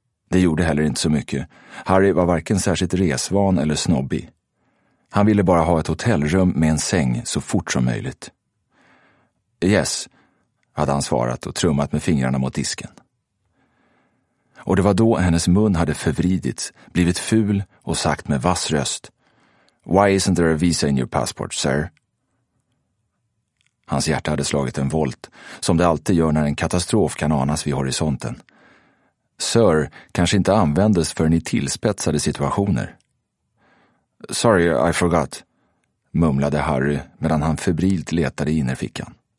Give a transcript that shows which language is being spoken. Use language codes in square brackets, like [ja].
[sv] Det gjorde heller inte så mycket. Harry var varken särskilt resvan eller snobbig. Han ville bara ha ett hotellrum med en säng så fort som möjligt. Yes, hade han svarat och trummat med fingrarna mot disken. Och det var då hennes mun hade förvridits, blivit ful och sagt med vass röst. [en] Why isn't there a visa in your passport, sir? [sv] Hans hjärta hade slagit en volt, som det alltid gör när en katastrof kan anas vid horisonten. Sir kanske inte användes förrän i tillspetsade situationer. [en] Sorry, I forgot, [sv] mumlade Harry medan han febrilt letade i innerfickan.